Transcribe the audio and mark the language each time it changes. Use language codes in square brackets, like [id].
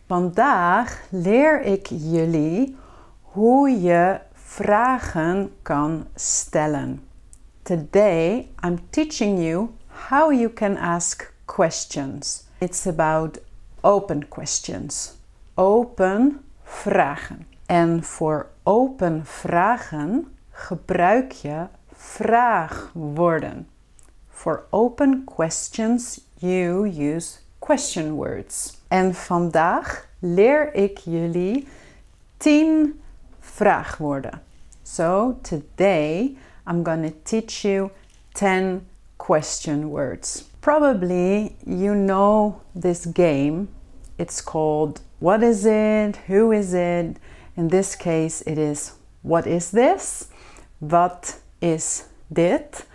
[nl] Vandaag leer ik jullie hoe je vragen kan stellen. [en] Today, I'm teaching you how you can ask questions. It's about open questions. [nl] Open vragen. En voor open vragen gebruik je vraagwoorden. [en] For open questions, you use question words. [nl] En vandaag leer ik jullie 10 vraagwoorden. [en] So, today I'm gonna teach you 10 question words. Probably you know this game. It's called what is it, who is it? In this case it is what is this, what is dit?